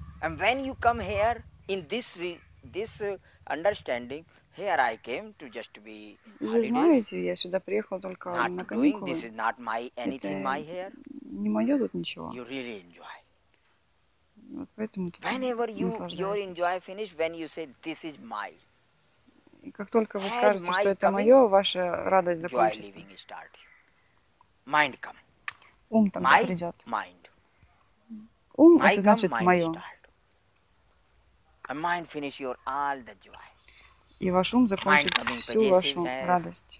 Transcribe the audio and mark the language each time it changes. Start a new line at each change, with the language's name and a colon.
English: And when you come here in this understanding, here I came to just be holidays.
Russian: Вы знаете, я сюда приехал только на каникулы.
English: Not doing this is not my anything my here.
Russian: Не мое тут ничего.
English: You really enjoy.
Russian: Вот поэтому ты
English: whenever you your enjoy finish, when you say this is my.
Russian: И как только вы скажете, что это мое, ваша радость закончится.
English: Joy living start. Mind come.
Russian: Ум тогда придет.
English: Mind.
Russian: Ум это значит мое.
English: And mind finish your all the joy.
Russian: И ваш ум закончит всю вашу радость.